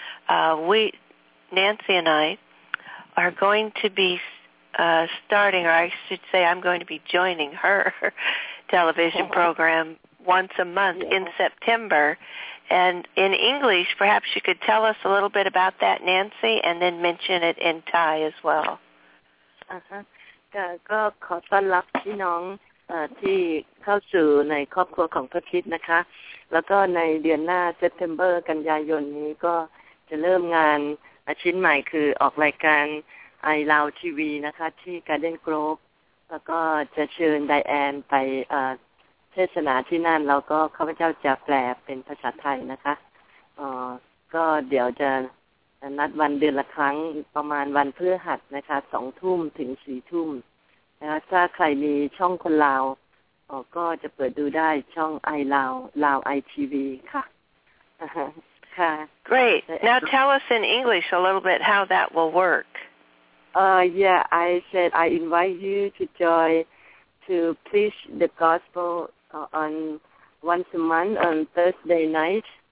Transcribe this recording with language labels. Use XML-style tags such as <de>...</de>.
<en>Nancy and I are going to be starting, or I should say I'm going to be joining her television program once a month in September. And in English, perhaps you could tell us a little bit about that, Nancy, and then mention it in Thai as well.</en> <th>ก็ขอต้อนรับพี่น้องที่เข้าสู่ในครอบครัวของพระทิศนะคะแล้วก็ในเดือนหน้าเซปเทมเบอร์กันยายนนี้ก็จะเริ่มงานอาชิ้นใหม่คือออกรายการ I Love TV นะคะที่การ์เด้นโกรฟแล้วก็จะเชิญไดแอนไปเทศนาที่นั่นแล้วก็ข้าพเจ้าจะแปลเป็นภาษาไทยนะคะ ก็เดี๋ยวจะนัดวันเดือนละครั้งประมาณวันพฤหัสนะคะ 2 ทุ่มถึง 4 ทุ่มนะคะถ้าใครมีช่องคนลาวก็จะเปิดดูได้ช่อง I Love Lao ITV ค่ะ</th> <en>Great. Now tell us in English a little bit how that will work. Yeah, I said I invite you to join to preach the gospel on once a month on Thursday night.</en>